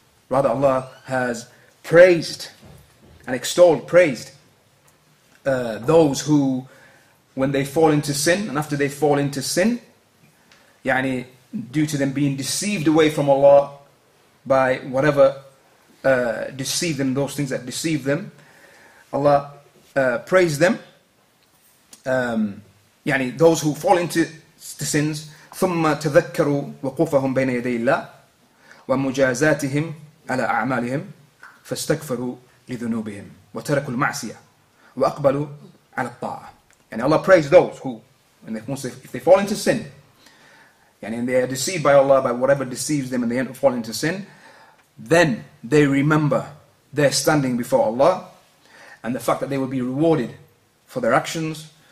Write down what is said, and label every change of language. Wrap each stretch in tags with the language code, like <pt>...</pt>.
<en>Rather, Allah has praised and praised those who, when they fall into sin, and after they fall into sin, يعني due to them being deceived away from Allah by whatever deceive them, those things that deceive them, Allah praise them.</en> <ar>يعني</ar> <en>those who fall into the sins,</en> <ar>ثم تذكروا وقوفهم بين يدي الله ومجازاتهم على أعمالهم فاستغفروا لذنوبهم وتركوا المعصية وأقبلوا على الطاعة.</ar> <en>And Allah praise those who, and if they fall into sin, and they are deceived by Allah by whatever deceives them, and they end up falling into sin, then they remember their standing before Allah, and the fact that they will be rewarded for their actions.</en>